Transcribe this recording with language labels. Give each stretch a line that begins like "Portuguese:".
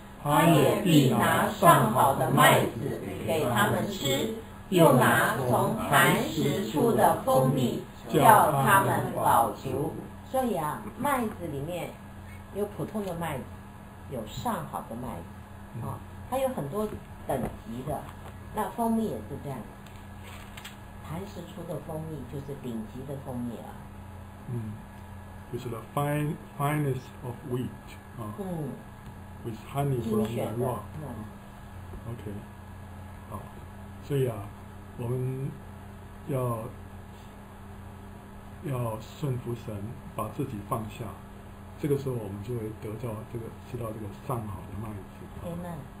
Chinese: 他也必拿上好的麦子给他们吃，又拿从磐石出的蜂蜜叫他们饱足。所以啊，麦子里面有普通的麦子，有上好的麦子啊，它有很多等级的。那蜂蜜也是这样，磐石出的蜂蜜就是顶级的蜂蜜了。嗯，就是
English: the finest of wheat 啊。嗯。 With honey from the rock。嗯。 OK。
Chinese: 好，所以啊，我们要顺服神，把自己放下，这个时候我们就会得到这个吃到这个上好的麦子。
English: Amen。